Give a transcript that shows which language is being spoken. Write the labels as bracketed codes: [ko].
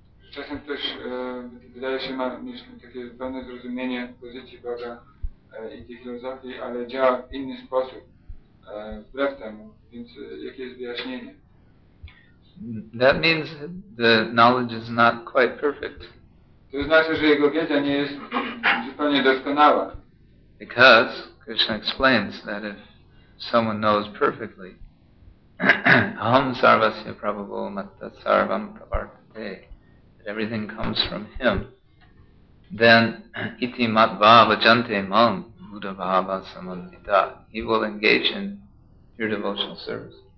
[pl] Czasem ktoś wydaje się mieć takie pełne zrozumienie pozycji Boga i tej filozofii, ale działa w inny sposób, wbrew temu. Więc jakie jest wyjaśnienie? [en] That means the knowledge is not quite perfect. [pl] To znaczy, że jego wiedza nie jest zupełnie doskonała. [en] Because Krishna explains that if someone knows perfectly, [sa] aham sarvasya prabhavo matta sarvam pravartate, [en] everything comes from him, then [sa] iti matva vajante mam buddha bhava samandita, [en] he will engage in your devotional service.